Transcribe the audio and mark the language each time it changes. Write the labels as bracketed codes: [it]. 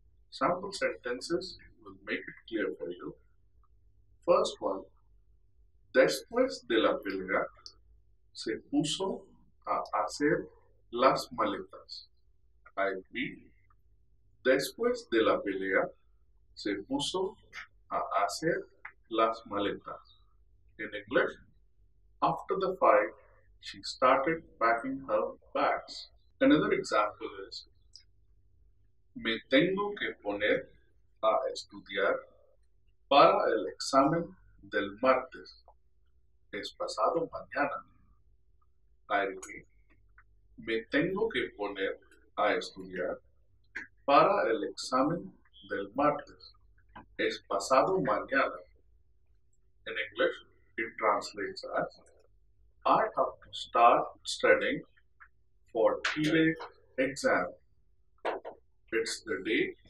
[en] Sample sentences will make it clear for you. First one, [es] después de la pelea, se puso a hacer las maletas. [en] I repeat, [es] después de la pelea, se puso a hacer las maletas. [en] In English, after the fight, she started packing her bags. Another example is, [es] me tengo que poner a estudiar para el examen del martes. Es pasado mañana. [en] I repeat, [es] me tengo que poner a estudiar para el examen del martes. Es pasado mañana. [en] In English, it translates as, I have to start studying for TLE exam. It's the day